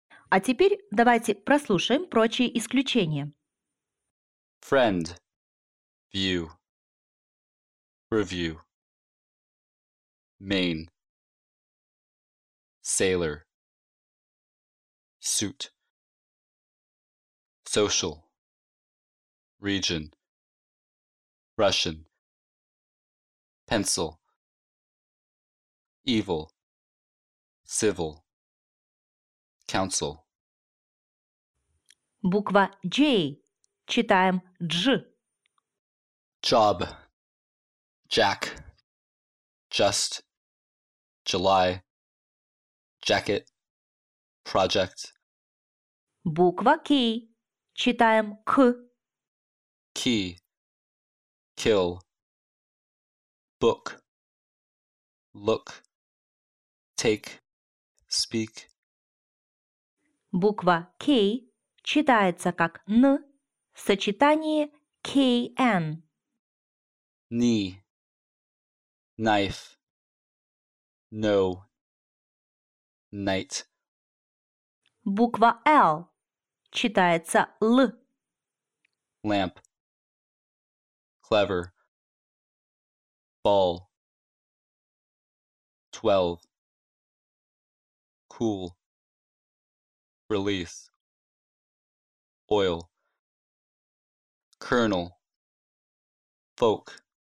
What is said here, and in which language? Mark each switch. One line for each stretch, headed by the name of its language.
Russian: А теперь давайте прослушаем прочие исключения.
English: Friend, view, review, main, sailor, suit, social, region, Russian, pencil, evil, civil, council.
Russian: Буква J. Читаем J.
English: Job, jack, just, July, jacket, project.
Russian: Буква K. Читаем K.
English: Key, kill, book, look, take, speak.
Russian: Буква K читается как N в сочетании KN.
English: Knee, knife, no, night.
Russian: Буква L читается L.
English: Lamp, clever, ball, 12, cool, release, oil, kernel, folk.